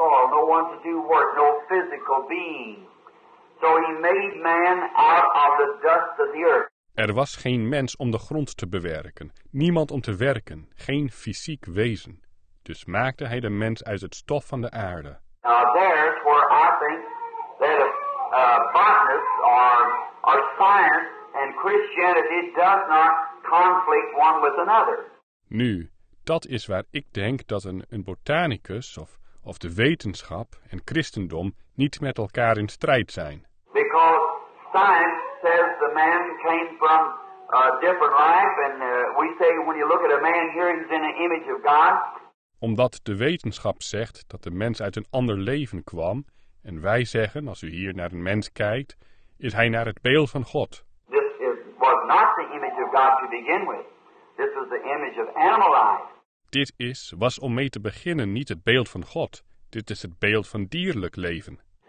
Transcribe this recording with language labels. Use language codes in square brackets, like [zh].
[en] No one to do work, no physical being. So he made man out of the dust of the earth. [nl] Er was geen mens om de grond te bewerken, niemand om te werken, geen fysiek wezen. Dus maakte hij de mens uit het stof van de aarde. [en] Now there's where I think that botanists or science and Christianity does not conflict one with another. [nl] Nu, dat is waar ik denk dat een botanicus of de wetenschap en christendom niet met elkaar in strijd zijn. [en] Because science says the man came from a different life, and we say when you look at a man here, he's in the image of God. [nl] Omdat de wetenschap zegt dat de mens uit een ander leven kwam, en wij zeggen, als u hier naar een mens kijkt, is hij naar het beeld van God. [en] This was not the image of God to begin with. This is the image of animal life. [nl] Dit was om mee te beginnen niet het beeld van God. Dit is het beeld van dierlijk leven.